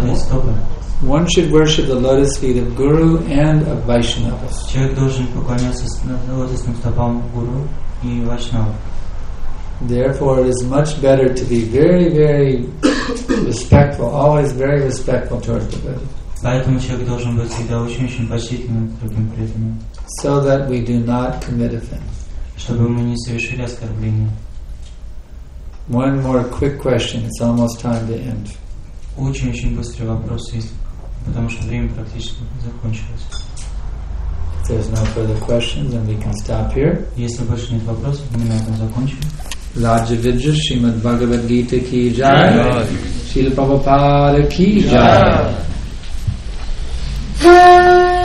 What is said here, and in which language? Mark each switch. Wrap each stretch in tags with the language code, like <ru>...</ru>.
<en>One should worship the lotus feet of Guru and of Vaishnavas.</en> <ru>Человек должен поклоняться лотосным стопам Гуру и Вайшнава.</ru> <en>Therefore, it is much better to be very, very respectful, always very respectful towards the Buddha.</en> <ru>Поэтому человек должен быть всегда очень-очень почтительным другим преданным.</ru> <en>So that we do not commit offense.</en> <ru>Чтобы мы не совершили оскорбления.</ru> <en>One more quick question. It's almost time to end.</en> <ru>Очень-очень быстрый вопрос есть, потому что время практически закончилось.</ru> <en>If there's no further questions, then we can stop here.</en> <ru>Если больше нет вопросов, мы на этом закончим. Раджа Виджа, Шримад Бхагавад Гита ки джай. Шрила Прабхупада ки джай.</ru>